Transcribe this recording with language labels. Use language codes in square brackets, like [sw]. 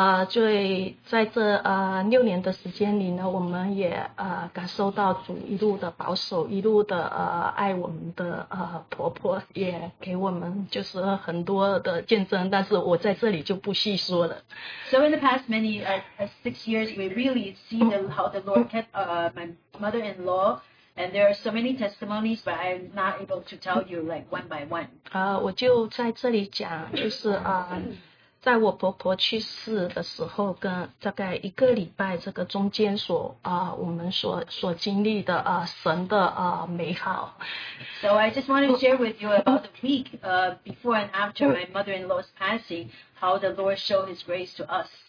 [zh] 所以在这六年的时间里呢，我们也感受到主一路的保守，一路的爱我们的婆婆，也给我们就是很多的见证，但是我在这里就不细说了。 [en] So in the past many six years, we really see how the Lord kept my mother-in-law. And there are so many testimonies, but I'm not able to tell you like one by one. [zh] 我就在这里讲，就是 在我婆婆去世的时候跟大概一个礼拜这个中间所我们所经历的神的美好。 [en] So I just want to share with you about the week before and after my mother-in-law's passing, how the Lord showed his grace to us.